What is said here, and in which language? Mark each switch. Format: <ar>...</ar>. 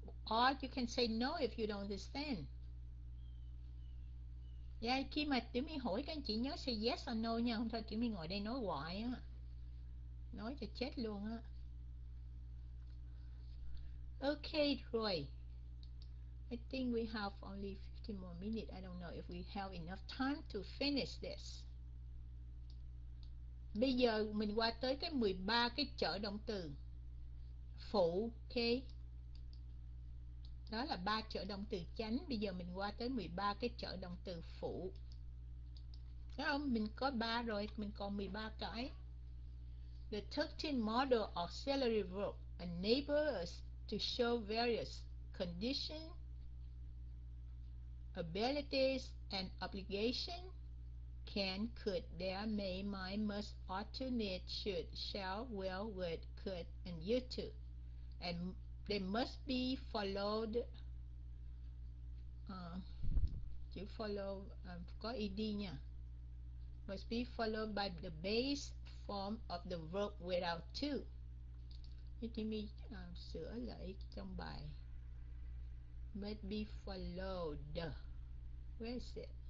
<en>Or you can say no if you don't understand.</en> <vi>Yeah, khi mà Tiểu My hỏi các anh chị nhớ</vi> <en>say yes or no</en> <vi>nha. Không thôi Tiểu My ngồi đây nói hoài á. Nói cho chết luôn á. Ok rồi.</vi> <en>I think we have only 15 more minutes. I don't know if we have enough time to finish this.</en> <vi>Bây giờ mình qua tới cái 13 cái trợ động từ phụ, ok. Đó là ba trợ động từ chánh. Bây giờ mình qua tới 13 cái trợ động từ phụ. Thấy không? Mình có 3 rồi, mình còn 13 cái.</vi> <en>The 13 model auxiliary verb enable us to show various conditions, abilities, and obligation. Can, could, there, may, might, must, ought to, need, should, shall, will, would, could, and you too. And they must be followed. You follow,</en> <vi>có ED nha.</vi> <en>Must be followed by the base form of the verb without to. You need me</en> <vi>sửa lại trong bài.</vi> <en>Must be followed. Where is it?</en>